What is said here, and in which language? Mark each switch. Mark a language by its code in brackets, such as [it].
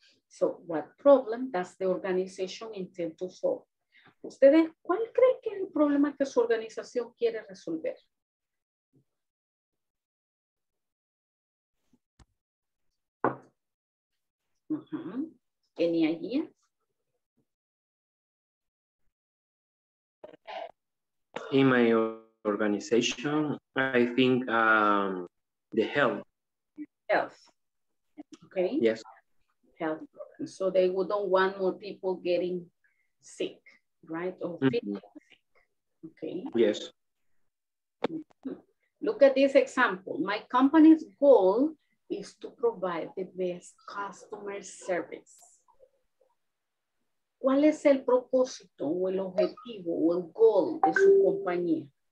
[en] So, what problem does the organization intend to solve? [es] Ustedes, ¿cuál creen que es el problema que su organización quiere resolver? [en] Uh-huh. Any idea? In my organization, I think the health. Health. Okay. Yes. Health. So they don't want more people getting sick, right? Or feeling sick. Okay. Yes. Look at this example. My company's goal is to provide the best customer service. [es] ¿Cuál es el propósito o el objetivo o el goal de su compañía?